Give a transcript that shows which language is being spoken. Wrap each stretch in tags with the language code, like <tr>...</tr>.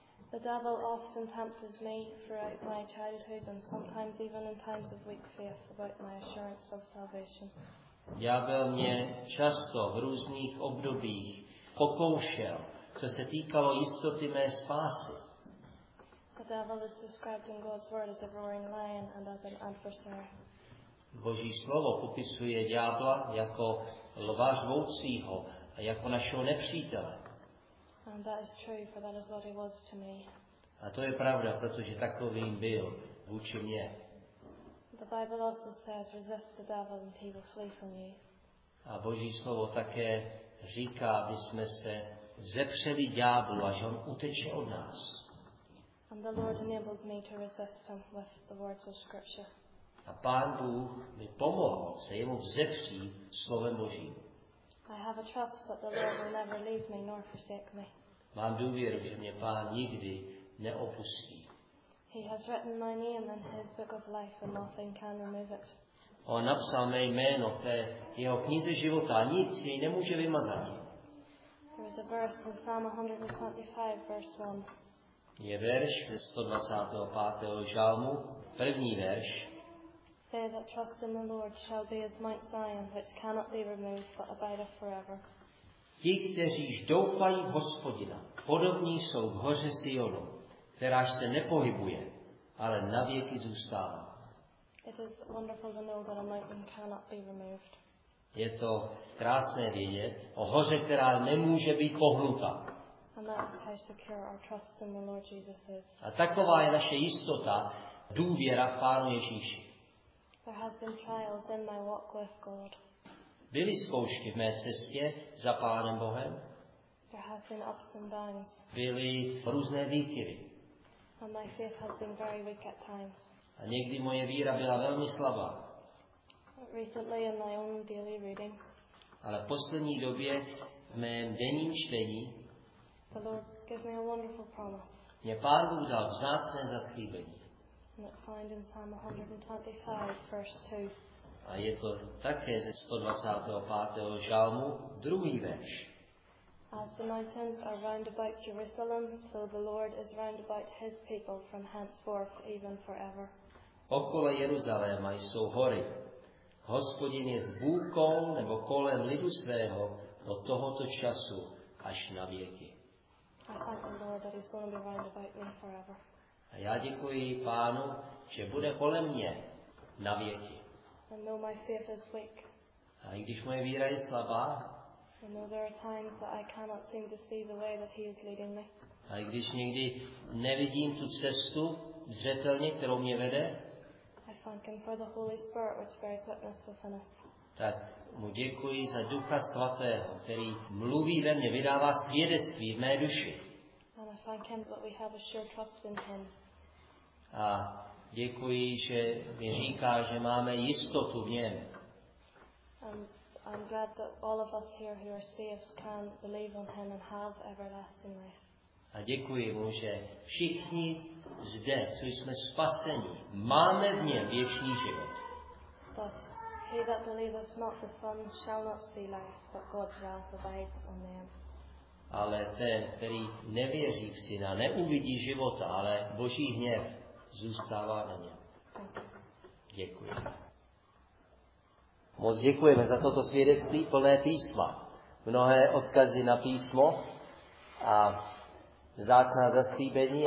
<en>The devil often tempts me throughout my childhood and sometimes even in times of weak faith about my assurance of salvation.</en> <cs>Ďábel mě často v různých obdobích pokoušel, co se týkalo jistoty mé spásy.</cs> <en>The devil is described in God's word as a roaring lion and as an adversary.</en> <cs>Boží slovo popisuje ďábla jako lva žvoucího a jako našeho nepřítele.</cs> <en>And that is true, for that is what he was to me.</en> <cs>A to je pravda, protože takovým byl vůči mě.</cs> <en>The Bible also says, resist the devil and he will flee from you.</en> <cs>A Boží slovo také říká, aby jsme se vzepřeli ďáblu, až on uteče od nás.</cs> <en>And the Lord enabled me to resist him with the words of scripture.</en> <cs>A Pán Bůh mi pomohl se jemu vzepřít slovem Božím.</cs> <en>I have a trust that the Lord will never leave me nor forsake me.</en> <cs>Mám důvěru, že mě Pán nikdy neopustí.</cs> <en>He has written my name in his book of life and nothing can remove it.</en> <cs>On napsal mé jméno v té jeho knize života a nic jej nemůže vymazat.</cs> <en>There is a verse in Psalm 125, verse 1.</en> <cs>Je verš ze 125. žalmu, první verš.</cs> <en>They that trust in the Lord shall be as Mount Zion, which cannot be removed, but abideth forever.</en> <cs>Ti, kteříž doufají v Hospodina, podobní jsou v hoře Sionu, kteráž se nepohybuje, ale navěky zůstává.</cs> <en>It is wonderful to know that a mountain cannot be removed.</en> <cs>Je to krásné vědět o hoře, která nemůže být pohnuta.</cs> <en>And that is how secure our trust in the Lord Jesus is.</en> <cs>A taková je naše jistota, důvěra v Pánu Ježíši.</cs> <en>There has been trials in my walk with God.</en> <cs>Byly zkoušky v mé cestě za Pánem Bohem.</cs> <en>There has been ups and downs.</en> <cs>Byly různé výkyvy.</cs> <en>And my faith has been very weak at times.</en> <cs>A někdy moje víra byla velmi slabá.</cs> <en>Recently in my own daily reading.</en> <cs>Ale v poslední době v mém denním čtení.</cs> <en>The Lord gave me a wonderful promise.</en> <cs>Mě Pán Bůh dal vzácné zaslíbení.</cs> <en>And it's found in Psalm 125, verse 2.</en> <cs>A je to také ze 125. žalmu, druhý verš.</cs> <en>As the mountains are round about Jerusalem, so the Lord is round about his people from henceforth, even forever.</en> <cs>Okolo Jeruzaléma jsou hory. Hospodin je zbůkol nebo kolem lidu svého od tohoto času až na věky.</cs> <en>I thank the Lord that he's going to be round about me forever.</en> <cs>A já děkuji Pánu, že bude kolem mě na věky.</cs> <en>I know my faith is weak.</en> <cs>A i když moje víra je slabá,</cs> <en>I know there are times that I cannot seem to see the way that he is leading me.</en> <cs>A i když někdy nevidím tu cestu zřetelně, kterou mě vede,</cs> <en>I thank him for the Holy Spirit which bears witness within us.</en> <cs>Tak mu děkuji za Ducha Svatého, který mluví ve mně, vydává svědectví v mé duši.</cs> <en>And I thank him that we have a sure trust in him.</en> <cs>A děkuji, že mi říká, že máme jistotu v něm.</cs> <en>I'm glad that all of us here who are saved can believe on him and have everlasting life.</en> <cs>A děkuji mu, že všichni zde, co jsme spaseni, máme v něm věčný život.</cs> <en>But he that believeth not the Son shall not see life, but God's wrath abides on them.</en> <cs>Ale ten, který nevěří v Syna, neuvidí života, ale Boží hněv zůstává na něm. Děkuji. Moc děkujeme za toto svědectví plné písma. Mnohé odkazy na písmo a vzácná zaslíbení.</cs>